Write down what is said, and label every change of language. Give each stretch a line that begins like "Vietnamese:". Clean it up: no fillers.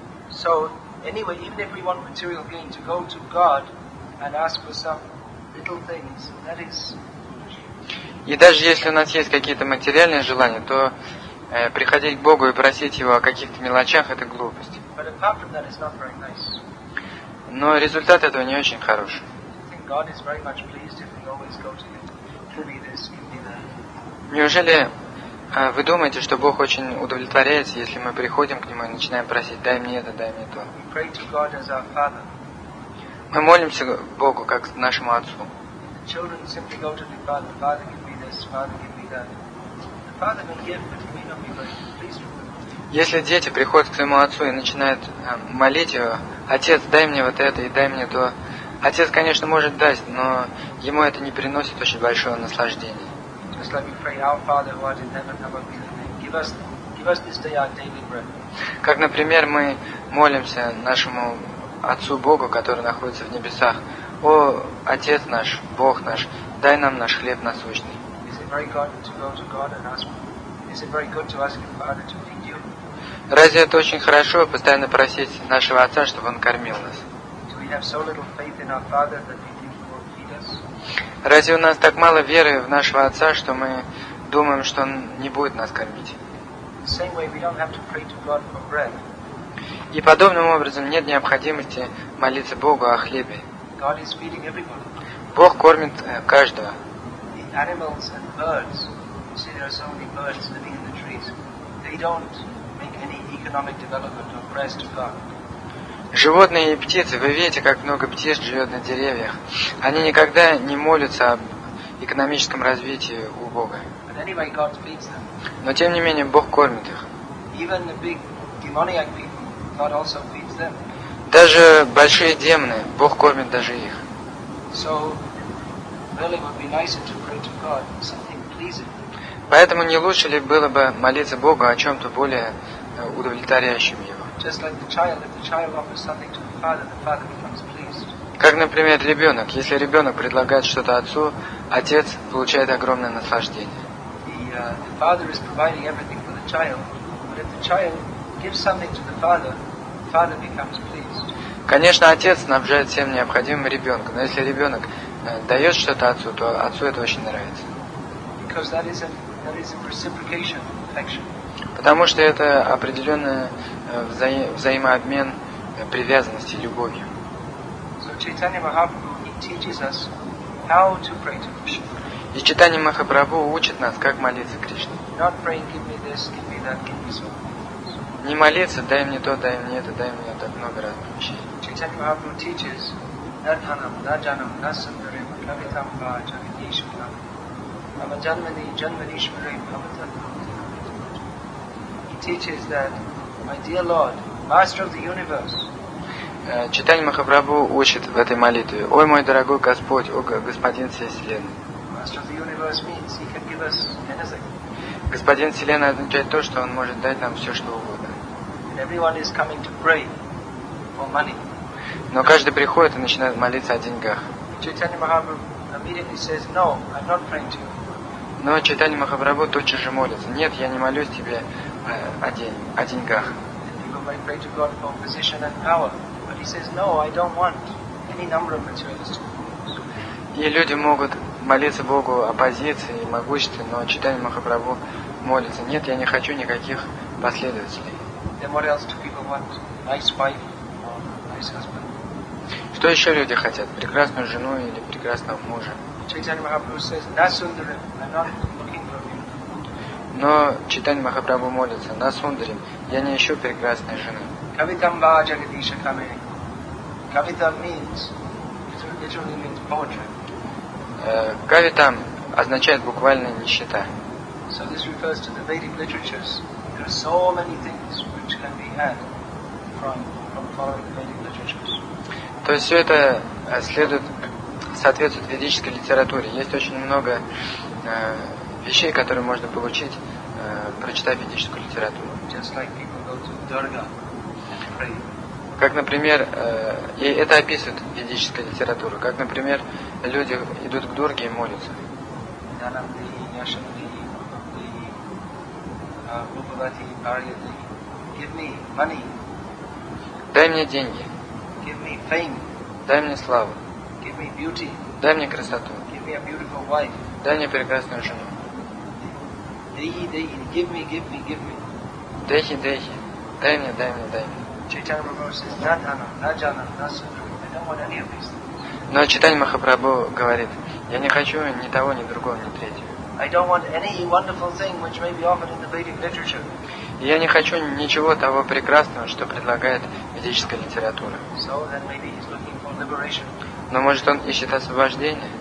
English: So anyway, even if we want material gain, to go to God and ask for some little things, that is foolish.
Russian: И даже если у нас есть какие-то материальные желания, то приходить к Богу и просить Его о каких-то мелочах – это глупость.
English: But apart from that, it's not very nice.
Russian: Но результат этого не очень хороший.
English: God is very much pleased if we always go to Him. Give me this, give me that.
Russian: Неужели вы думаете, что Бог очень удовлетворяется, если мы приходим к Нему и начинаем просить, дай мне это, дай мне то?
English: We pray to God as our Father.
Russian: Мы молимся Богу, как нашему Отцу.
English: The children simply go to the Father. Father, give me this. Father, give me that. The Father may give, but He may not be very pleased with them.
Russian: Если дети приходят к своему Отцу и начинают молить Его, Отец, дай мне вот это и дай мне то. Отец, конечно, может дать, но ему это не приносит очень большого наслаждения.
English: Just let me pray, our Father, who art in heaven, hallowed be thy name. Give us this day our daily bread.
Russian: Как, например, мы молимся нашему Отцу Богу, который находится в небесах. О, Отец наш, Бог наш, дай нам наш хлеб насущный.
English: Is it very good to go to God and ask? Is it very good to ask your Father to feed you?
Russian: Разве это очень хорошо, постоянно просить нашего Отца, чтобы Он кормил нас?
English: We have so little faith in our Father that we think He will feed us.
Russian: Разве у нас так мало веры в нашего Отца, что мы думаем, что Он не будет нас кормить?
English: Same way, we don't have to pray to God for bread.
Russian: И подобным образом нет необходимости молиться Богу о хлебе.
English: God is feeding everybody.
Russian: Бог кормит каждого.
English: The animals and birds, you see, there are so many birds living in the trees. They don't make any economic development or praise to God.
Russian: Животные и птицы, вы видите, как много птиц живет на деревьях. Они никогда не молятся об экономическом развитии у Бога.
English: But anyway, God feeds them.
Russian: Но тем не менее, Бог кормит их.
English: Even the big demoniac people, God also feeds them.
Russian: Даже большие демоны, Бог кормит даже их.
English: So, really would be nicer to pray to God something pleasing.
Russian: Поэтому не лучше ли было бы молиться Богу о чем-то более удовлетворяющем Его?
English: Just like the child, if the child offers something to the father becomes pleased.
Russian: Как, например, ребенок. Если ребенок предлагает что-то отцу, отец получает огромное наслаждение.
English: The father is providing everything for the child, but if the child gives something to the father becomes pleased.
Russian: Конечно, отец снабжает всем необходимым ребенку, но если ребенок дает что-то отцу, то отцу это очень нравится.
English: Because that is a reciprocation affection.
Russian: Потому что это определенная взаимообмен привязанности, любовью.
English: So, Chaitanya Mahaprabhu, he teaches us how to pray to Krishna.
Russian: И Чайтанья Махапрабху учит нас, как молиться Кришне.
English: Not praying, give me this, give me that, give me so many things.
Russian: Не молиться, дай мне то, дай мне это, дай мне это, много разных вещей.
English: Chaitanya Mahaprabhu teaches Nadhanam, Nadjanam, Nasandarim, Kavitam, Vajanishvaram, Amajanmani, Janmanishvaram, Bhavatam. He teaches that My dear Lord, Master of the Universe.
Russian: Чайтанья Махапрабху учит в этой молитве. Ой, мой дорогой Господь, о Господин всей Вселенной.
English: Master of the Universe means He can give us anything.
Russian: Господин Вселенной означает то, что Он может дать нам все, что угодно.
English: And everyone is coming to pray for money.
Russian: Но каждый приходит и начинает молиться о деньгах.
English: Chaitanya Mahaprabhu immediately says, No, I'm not praying to you.
Russian: Но Чайтанья Махапрабху тут же молится. Нет, я не молюсь тебе о деньгах.
English: People might pray to God for position and power, but He says, No, I don't want any number of materialistic things.
Russian: И люди могут молиться Богу о позиции и могуществе, но Чайтанья Махапрабху молится. Нет, я не хочу никаких последователей.
English: Then what else do people want? Nice wife or nice husband?
Russian: Что еще люди хотят? Прекрасную жену или прекрасного мужа?
English: Chaitanya Mahaprabhu says, Nasundarim, I'm not looking for a beautiful woman.
Russian: Но Чайтанья Махапрабху молится, Насундарим, я не ищу прекрасной жены.
Sanskrit: Kavitam va Jagadisha Kame.
English: Kavitam means, it literally means poetry.
Russian: Kavitam означает буквально нищета.
English: So this refers to the Vedic literatures. There are so many things which can be had from following the Vedic literatures.
Russian: То есть все это следует соответствует ведической литературе. Есть очень много вещей, которые можно получить, прочитав ведическую литературу.
English: Just like people go to Durga and pray.
Russian: Как, например, и это описывает ведическая литература. Как, например, люди идут к Дурге и молятся. Нанамди, Няшамди, Мухамди, Рупавати, Парьяди.
English: Give me money.
Russian: Дай мне деньги.
English: Give me fame.
Russian: Дай мне славу.
English: Give me beauty.
Russian: Дай мне красоту.
English: Give me a beautiful wife.
Russian: Дай мне прекрасную жену.
Sanskrit: Дехи, дехи,
English: give me, give me, give me.
Sanskrit: Дехи, дехи,
Russian: дай мне, дай мне, дай мне.
English: Чайтанья Махапрабху says, Надхана, Наджана, Насудра. I don't want any of these things.
Russian: Но Чайтанья Махапрабху говорит, я не хочу ни того, ни другого, ни третьего.
English: I don't want any wonderful thing which may be offered in the Vedic literature.
Russian: Я не хочу ничего того прекрасного, что предлагает ведическая литература.
English: So then maybe he's looking for liberation.
Russian: Но может он ищет освобождение?